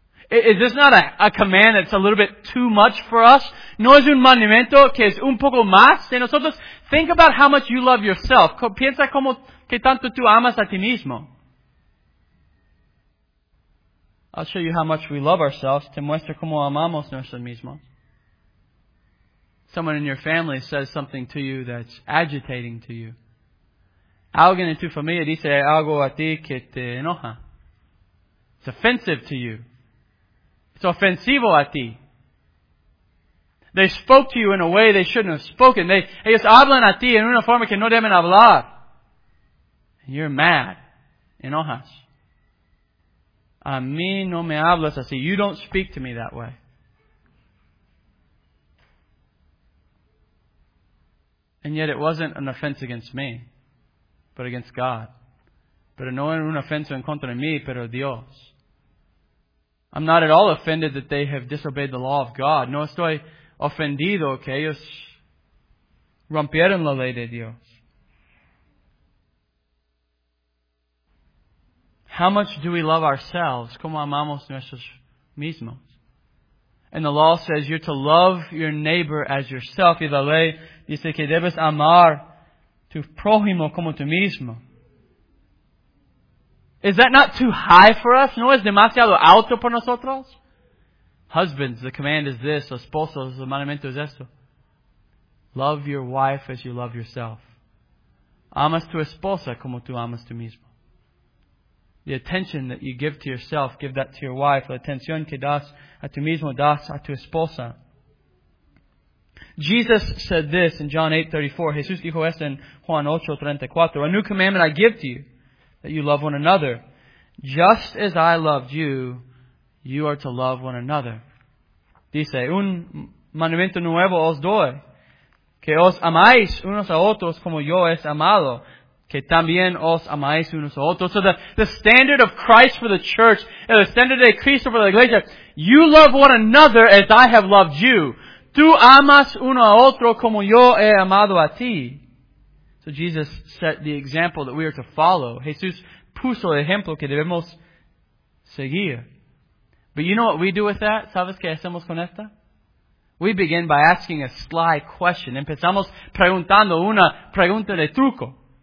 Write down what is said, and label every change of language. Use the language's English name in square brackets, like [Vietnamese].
[English] Is this not a command that's a little bit too much for us? [Spanish] ¿No es un mandamiento que es un poco más de nosotros? [English] Think about how much you love yourself. [Spanish] Piensa como que tanto tú amas a ti mismo. [English] I'll show you how much we love ourselves. [Spanish] Te muestro cómo amamos nosotros mismos. [English] Someone in your family says something to you that's agitating to you. [Spanish] Alguien en tu familia dice algo a ti que te enoja. It's offensive to you. It's ofensivo a ti. [English] They spoke to you in a way they shouldn't have spoken. [Spanish] Ellos hablan a ti en una forma que no deben hablar. [English] And you're mad. [Spanish] Enojas. A mí no me hablas así. [English] You don't speak to me that way. And yet it wasn't an offense against me, but against God. [Spanish] Pero no era una ofensa en contra de mí, pero Dios. [English] I'm not at all offended that they have disobeyed the law of God. [Spanish] No estoy ofendido que ellos rompieron la ley de Dios. [English] How much do we love ourselves? [Spanish] ¿Cómo amamos nosotros mismos? [English] And the law says you're to love your neighbor as yourself. [Spanish] Y la ley dice que debes amar tu prójimo como tú mismo. [English] Is that not too high for us? [Spanish] ¿No es demasiado alto por nosotros? [English] Husbands, the command is this. [Spanish] Esposos, el mandamiento es esto. [English] Love your wife as you love yourself. [Spanish] Amas tu esposa como tú amas tú mismo. [English] The attention that you give to yourself, give that to your wife. [Spanish] La atención que das a ti mismo, das a tu esposa. [English] Jesus said this in John 8:34. [Spanish] Jesús dijo esto en Juan 8:34. [English] A new commandment I give to you, that you love one another. Just as I loved you, you are to love one another. [Spanish] Dice, un mandamiento nuevo os doy. Que os amáis unos a otros como yo es amado. Que también os amáis unos a otros. [English] So the standard of Christ for the church, the standard [Spanish] de Cristo [English] for the iglesia, you love one another as I have loved you. [Spanish] Tú amas uno a otro como yo he amado a ti. [English] So Jesus set the example that we are to follow. [Spanish] Jesús puso el ejemplo que debemos seguir. [English] But you know what we do with that? [Spanish] ¿Sabes qué hacemos con esta? [English] We begin by asking a sly question. [Spanish] Empezamos preguntando una pregunta de truco.